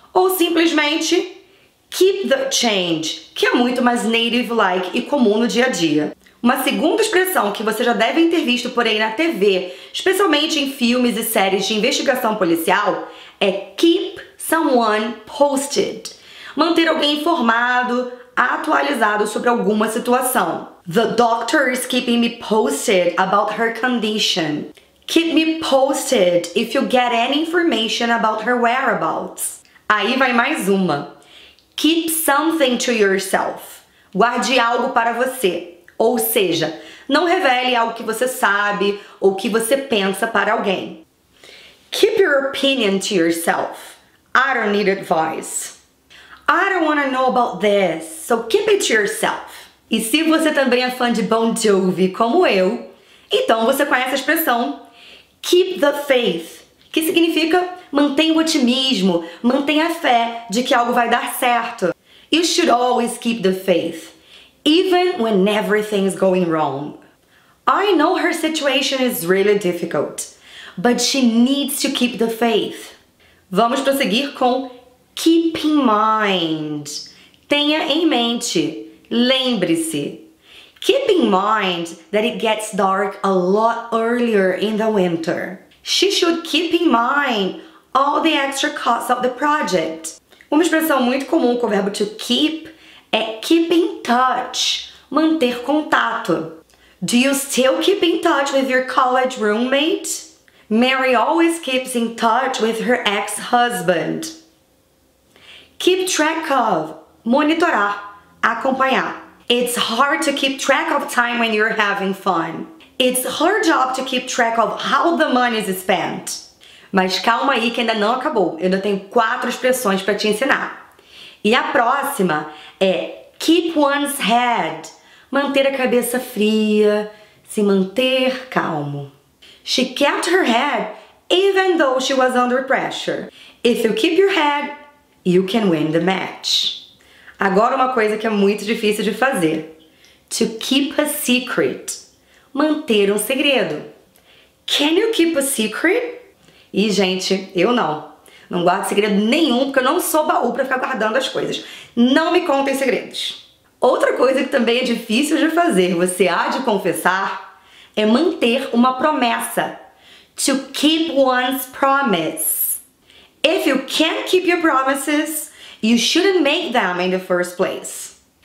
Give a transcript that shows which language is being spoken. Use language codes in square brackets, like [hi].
[pt] Ou simplesmente [en] keep the change, [pt] que é muito mais native-like e comum no dia a dia. Uma segunda expressão que você já deve ter visto por aí na TV, especialmente em filmes e séries de investigação policial, é [en] keep someone posted. [pt] Manter alguém informado, atualizado sobre alguma situação. [en] The doctor is keeping me posted about her condition. Keep me posted if you get any information about her whereabouts. [pt] Aí vai mais uma. [en] Keep something to yourself. [pt] Guarde algo para você. Ou seja, não revele algo que você sabe ou que você pensa para alguém. [en] Keep your opinion to yourself. I don't need advice. I don't want to know about this, so keep it to yourself. [pt] E se você também é fã de Bon Jovi, como eu, então você conhece a expressão [en] keep the faith, [pt] que significa mantenha o otimismo, mantenha a fé de que algo vai dar certo. [en] You should always keep the faith. Even when everything is going wrong. I know her situation is really difficult, but she needs to keep the faith. [pt] Vamos prosseguir com [en] keep in mind. [pt] Tenha em mente, lembre-se. [en] Keep in mind that it gets dark a lot earlier in the winter. She should keep in mind all the extra costs of the project. [pt] Uma expressão muito comum com o verbo to keep é [en] keep in touch, [pt] manter contato. [en] Do you still keep in touch with your college roommate? Mary always keeps in touch with her ex-husband. Keep track of, [pt] monitorar, acompanhar. [en] It's hard to keep track of time when you're having fun. It's her job to keep track of how the money is spent. [pt] Mas calma aí que ainda não acabou. Eu ainda tenho quatro expressões para te ensinar. E a próxima é [en] keep one's head, [pt] manter a cabeça fria, se manter calmo. [en] She kept her head even though she was under pressure. If you keep your head, you can win the match. [pt] Agora uma coisa que é muito difícil de fazer. [en] To keep a secret, [pt] manter um segredo. [en] Can you keep a secret? [pt] E gente, eu não. Não guardo segredo nenhum, porque eu não sou baú para ficar guardando as coisas. Não me contem segredos. Outra coisa que também é difícil de fazer, você há de confessar, é manter uma promessa. [en] To keep one's promise. If you can't keep your promises, you shouldn't make them in the first place.